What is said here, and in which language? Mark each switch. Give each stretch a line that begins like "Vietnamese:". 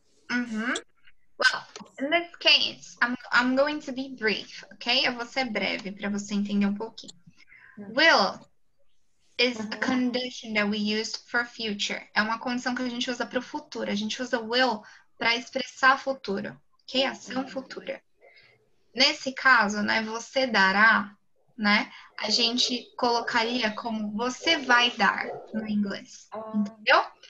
English: Uhum. Well, in this case, I'm going to be brief, ok?
Portuguese: Eu vou ser breve para você entender um pouquinho.
English: Will is a condition that we use for future.
Portuguese: É uma condição que a gente usa para o futuro. A gente usa will para expressar futuro, que é ação futura. Nesse caso, né, você dará, né, a gente colocaria como você vai dar no inglês, entendeu?